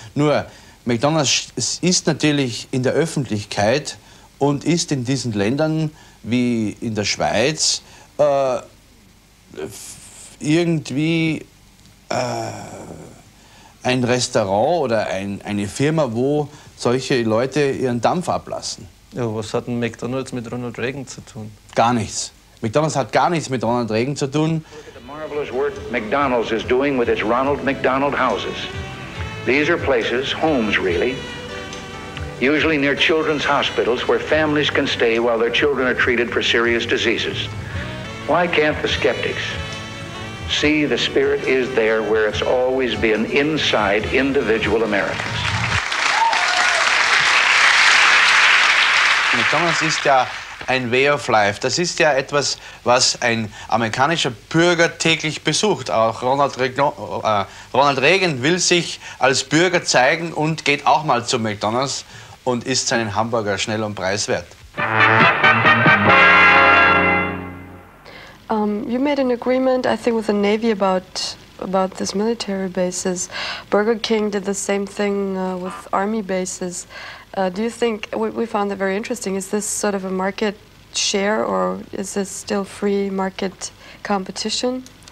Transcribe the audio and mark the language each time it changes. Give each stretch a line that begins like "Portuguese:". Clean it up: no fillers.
German: Nur, McDonald's ist natürlich in der Öffentlichkeit und ist in diesen Ländern wie in der Schweiz irgendwie ein Restaurant oder eine Firma, wo solche Leute ihren Dampf ablassen. Ja, was hat denn McDonald's mit Ronald Reagan zu tun? Gar nichts. McDonald's hat gar nichts mit Ronald Reagan zu tun.
English: Look at the marvelous work McDonald's is doing with its Ronald McDonald houses. These are places, homes really, usually near children's hospitals where families can stay while their children are treated for serious diseases. Why can't the skeptics see the spirit is there where it's always been inside individual Americans?
German: McDonald's ist ja ein Way of Life. Das ist ja etwas, was ein amerikanischer Bürger täglich besucht. Auch Ronald Reagan will sich als Bürger zeigen und geht auch mal zu McDonald's und isst seinen Hamburger schnell und preiswert.
English: You made an agreement, I think, with the Navy about this military bases. Burger King did the same thing with army bases. Do you think, we found that very interesting, is this sort of a market share or is this still free market competition?